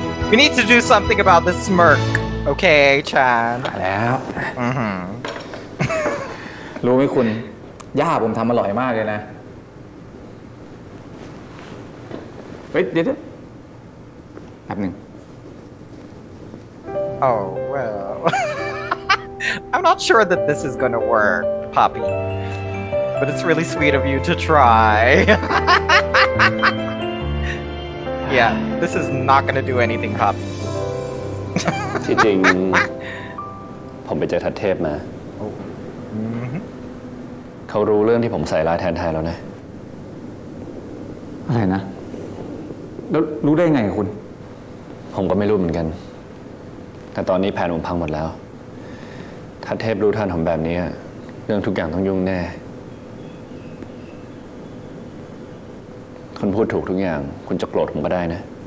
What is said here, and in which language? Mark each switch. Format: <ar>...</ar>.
<en>We need to do something about this smirk. Okay, Chan.</en> <th>แล้ว รู้ไหมคุณย่าผมทำอร่อยมากเลยนะเฮ้ยเดี๋ยวแป๊บนึง</th> <en>Oh, well. I'm not sure that this is gonna work, Poppy. But it's really sweet of you to try. Yeah, this is not gonna do anything, Pop.</en> <th>ที่จริงผมไปเจอทัดเทพมาเขารู้เรื่องที่ผมใส่ร้ายแทนไทยแล้วนะ อะไรนะแล้วรู้ได้ไงคุณ ผมก็ไม่รู้เหมือนกันแต่ตอนนี้แผนผมพังหมดแล้วทัดเทพรู้ท่านผมแบบนี้เรื่องทุกอย่างต้องยุ่งแน่คุณพูดถูกทุกอย่างคุณจะโกรธผมก็ได้นะ</th>